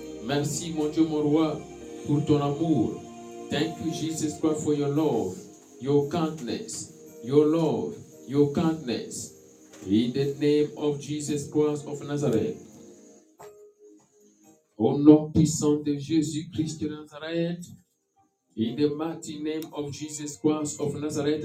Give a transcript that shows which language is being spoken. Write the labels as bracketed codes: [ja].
[fr] Merci, mon Dieu, mon roi, pour ton amour. [en] Thank you, Jesus Christ, for your love, your kindness, your love, your kindness. In the name of Jesus Christ of Nazareth. [fr] Au nom puissant de Jésus Christ de Nazareth. [en] In the mighty name of Jesus Christ of Nazareth.